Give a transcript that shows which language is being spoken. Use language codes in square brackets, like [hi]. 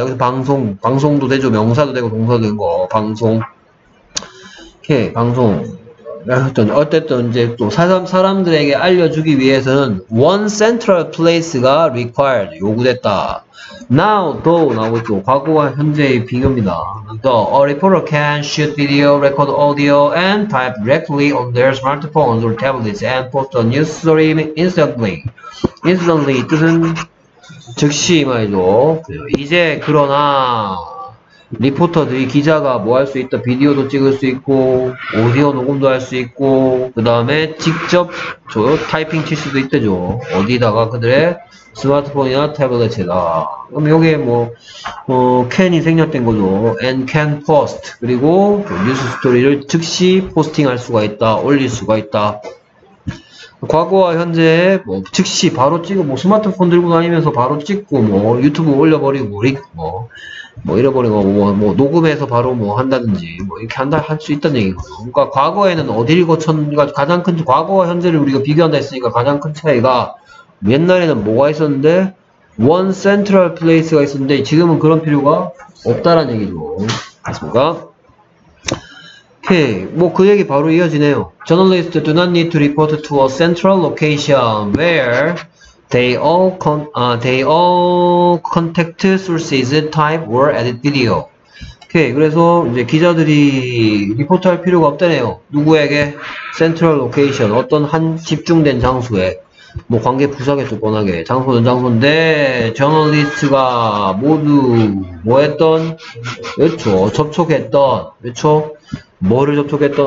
[ko] 여기서 방송도 되죠. 명사도 되고 동사도 되는 거. 방송. 오케이, 방송. 어쨌든 이제 또 사람들에게 알려주기 위해서는 [en] one central place [ko] 가 required, 요구됐다. [en] Now, though [ko] 나오고 있죠. 과거와 현재의 비교입니다. [en] Though a reporter can shoot video, record audio, and type directly on their smartphones or tablets and post a news story instantly. [ko] Instantly 뜻은 즉시 말이죠. 이제 그러나 리포터들이 기자가 뭐 할 수 있다? 비디오도 찍을 수 있고 오디오 녹음도 할 수 있고 그 다음에 직접 타이핑 칠 수도 있대죠. 어디다가? 그들의 스마트폰이나 태블릿에다. 그럼 여기에 can이 생략된 거죠. [en] and can post. [ko] 그리고 뉴스 스토리를 즉시 포스팅할 수가 있다, 올릴 수가 있다. 과거와 현재 뭐 즉시 바로 찍어, 뭐 스마트폰 들고 다니면서 바로 찍고 뭐 유튜브 올려버리고 뭐 잃어버린 거, 뭐 녹음해서 바로 뭐 한다든지 뭐 이렇게 할 수 있다는 얘기거든요. 그러니까 과거에는 어디를 거쳤는가, 가장 큰 과거와 현재를 우리가 비교한다 했으니까 가장 큰 차이가 옛날에는 뭐가 있었는데 [en] one central place [ko] 가 있었는데 지금은 그런 필요가 없다라는 얘기죠. 맞습니까? 오케이, 뭐 그 얘기 바로 이어지네요. [en] Journalists do not need to report to a central location where They all contact sources type or edit video. [ko] Okay, 그래서 이제 기자들이 리포트할 필요가 없다네요. 누구에게? Central location, 어떤 한 집중된 장소에, 뭐 관계 부사겠죠, 뻔하게. 장소는 장소인데, journalist가 모두 뭐 했던? 그렇죠, 접촉했던, 그렇죠? 뭐를 접촉했던?